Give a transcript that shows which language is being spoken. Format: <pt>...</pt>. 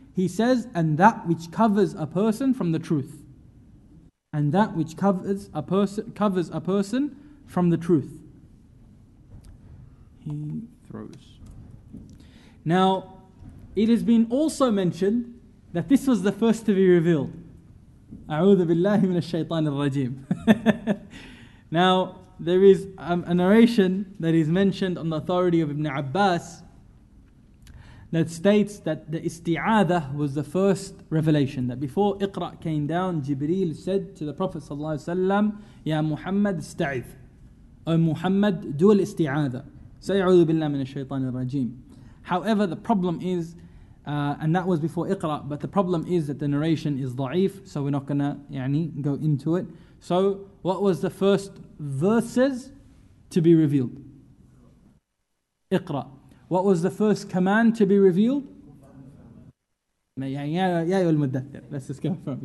<en>He says, and that which covers a person from the truth. And that which covers a person from the truth. He throws. Now, it has been also mentioned that this was the first to be revealed.</en> <ar>أعوذ بالله من الشيطان الرجيم.</ar> <en>Now, there is a narration that is mentioned on the authority of Ibn Abbas that states that the isti'adha was the first revelation. That before Iqra came down, Jibreel said to the Prophet sallallahu alaihi wasallam,</en> <ar>Ya Muhammad, isti'adh.</ar> <en>O Muhammad, do al isti'adha.</en> <ar>Say, أعوذ بالله من الشيطان الرجيم.</ar> <en>However, the problem is, and that was before Iqra, but the problem is that the narration is ضعيف, so we're not going to يعني, go into it. So, what was the first verses to be revealed? Iqra. What was the first command to be revealed? Ya Yul Muddathir. Let's just confirm.</en>